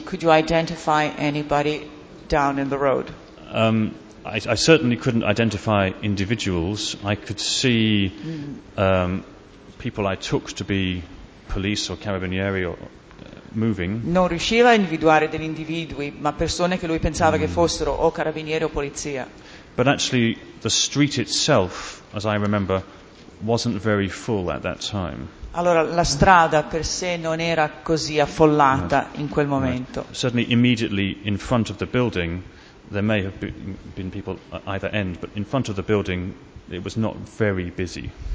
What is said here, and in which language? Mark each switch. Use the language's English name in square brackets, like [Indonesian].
[English] Could you identify anybody down in the road? I certainly couldn't identify individuals. I could see people I took to be police or carabinieri or moving. [Italian] Non riusciva a individuare degli individui, ma persone che lui pensava che fossero o carabinieri o polizia. [English] But actually the street itself, as I remember, wasn't very full at that time. [Italian] Allora la strada per sé non era così affollata in quel momento. [English] Right. Certainly immediately in front of the building there may have been people at either end, but in front of the building it was not very busy.